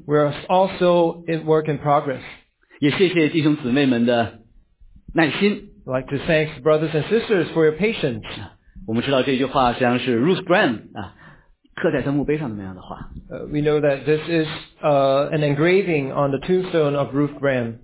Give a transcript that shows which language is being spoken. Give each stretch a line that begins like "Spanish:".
English: We are also in work in progress.
Chinese: 也谢谢弟兄姊妹们的耐心
English: I'd like to thank brothers and sisters for your patience.
Chinese: 我们知道这句话实际上是 Ruth Graham, 刻在他墓碑上的那样的话
English: We know that this is an engraving on the tombstone of Ruth Graham.